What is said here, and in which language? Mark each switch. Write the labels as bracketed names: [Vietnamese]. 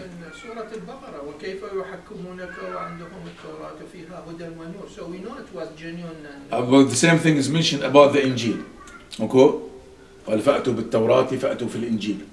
[Arabic] من سورة البقرة وكيف يحكمونك وعندهم التوراة فيها هدى ونور. [English] So we know it was genuine. About the same thing is mentioned about the Injil. Okay. [Arabic] قال فأتوا بالتوراة فأتوا في الإنجيل.